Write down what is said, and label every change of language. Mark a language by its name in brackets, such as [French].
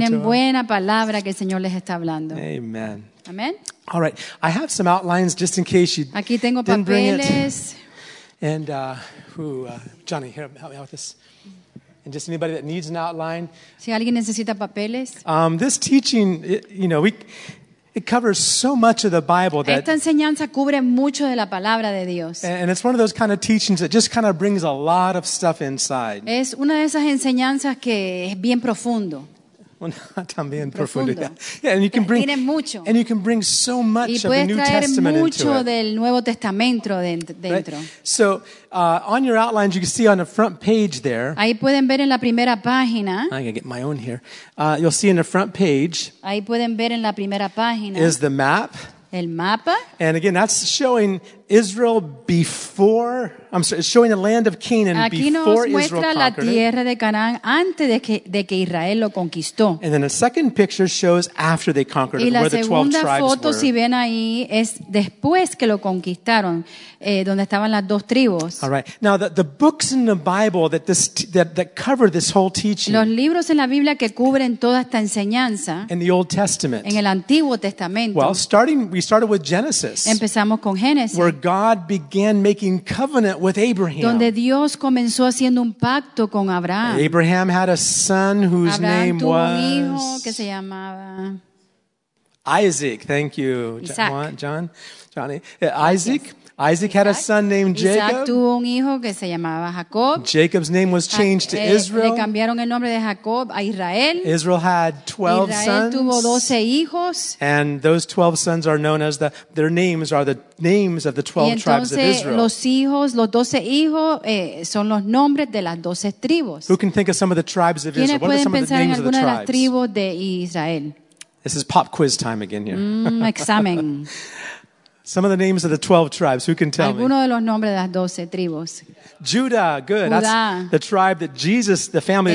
[Spanish] Ellos tienen buena palabra que el Señor les está hablando. Amen. Amen. [English] All right. I have some outlines just in case you [Spanish] aquí tengo [English] didn't [Spanish] papeles. [English] Bring it. And Johnny, here, help me out with this. And just anybody that needs an outline. [Spanish] Si alguien necesita papeles. [English] This teaching, it covers so much of the Bible that [Spanish] esta enseñanza cubre mucho de la palabra de Dios. [English] And it's one of those kind of teachings that just kind of brings a lot of stuff inside. [Spanish] Es una de esas enseñanzas que es bien profundo. También profundo. [English] Yeah, and you can bring [Spanish] mucho. [English] And you can bring so much of the New Testament into mucho it. [Spanish] Del Nuevo Testamento dentro. [English] Right? So, on your outlines, you can see on the front page there. [Spanish] Ahí pueden ver en la primera página. [English] I'm gonna get my own here. You'll see in the front page. [Spanish] Ahí pueden ver en la primera página. [English] Is the map. [Spanish] El mapa. [English] And again, that's showing Israel before. I'm sorry, it's showing the land of Canaan [Spanish] aquí [English] before Israel conquered. [Spanish] Aquí nos muestra la tierra de Canaán antes de que Israel lo conquistó. [English] And then the second picture shows after they conquered it, where the 12 tribes were. [Spanish] Y la segunda foto, si ven ahí, es después que lo conquistaron, donde estaban las dos tribus. [English] All right. Now the books in the Bible that cover this whole teaching. [Spanish] Los libros en la Biblia que cubren toda esta enseñanza. [English] In the Old Testament. [Spanish] En el Antiguo Testamento. [English] Well, we started with Genesis. [Spanish] Empezamos con Génesis. [English] Where God began making covenant with Abraham. [Spanish] Donde Dios comenzó haciendo un pacto con Abraham. [English] Abraham had a son whose [Spanish] Abraham [English] name was. [Spanish] Abraham tuvo un hijo que se llamaba [English] Isaac. Thank you, [Spanish] Isaac. [English] John, Isaac. Yes. Isaac had a son named Jacob. [Spanish] Isaac tuvo un hijo que se llamaba Jacob. [English] Jacob's name was changed to Israel. [Spanish] Le cambiaron el nombre de Jacob a Israel. [English] Israel had 12 [Spanish] Israel [English] sons. [Spanish] Tuvo 12 hijos. [English] And those 12 sons are known as their names are the names of the 12 [Spanish] y entonces, [English] tribes of Israel. [Spanish] Los hijos, los 12 hijos son los nombres de las 12 tribos. [English] Who can think of some of the tribes of Israel? What are some of the names [Spanish] en [English] of the tribes? [Spanish] De las tribus de Israel? [English] This is pop quiz time again here. [Spanish] Examen. [English] Some of the names of the 12 tribes. Who can tell [Spanish] alguno [English] me? [Spanish] De los nombres de las 12 tribus. [English] Judah, good. [Spanish] Judá. [English] That's the tribe that Jesus, the family